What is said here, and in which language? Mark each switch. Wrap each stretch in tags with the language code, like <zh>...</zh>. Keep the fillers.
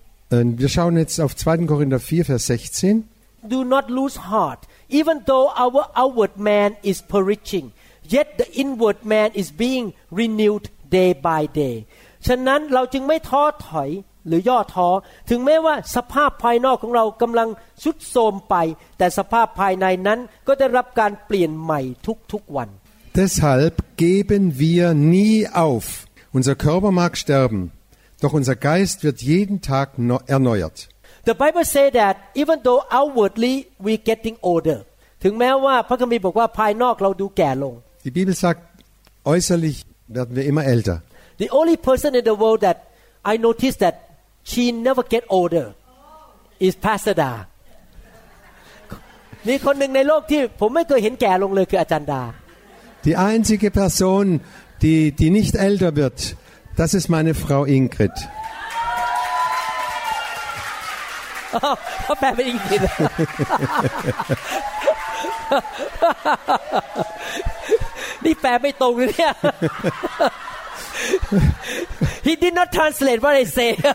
<de>Und wir schauen jetzt auf 2 Korinther 4 Vers 16.</de> <en>Do not lose heart even though our outward man is perishing. yet the inward man is being renewed day by day</en> <th>ฉะนั้นเราจึงไม่ท้อถอยหรือย่อท้อถึงแม้ว่าสภาพภายนอกของเรากำลังสุดโทมไป แต่สภาพภายในนั้นก็ได้รับการเปลี่ยนใหม่ทุกๆวัน</th> <de>Deshalb geben wir nie auf. Unser Körper mag sterben, doch unser Geist wird jeden Tag erneuert.</de> <en>The Bible says that even though outwardly we getting older,</en> <th>ถึงแม้ว่าพระคัมภีร์บอกว่าภายนอกเราดูแก่ลง</th> <de>Die Bibel sagt, äußerlich werden wir immer älter.</de> <en>The only person in the world that I noticed that she never get older oh. is Pastor Da.</en> <th>มีคนหนึ่งในโลกที่ผมไม่เคยเห็นแก่ลงเลยคืออาจารย์ดา</th> <de>Die einzige Person, die die nicht älter wird, das ist meine Frau Ingrid.</de> <en>Oh, Papa Ingrid.</en> <th>นี่แปลไม่ตรงเลยเนี่ย</th> <en>he did not translate what I say</en>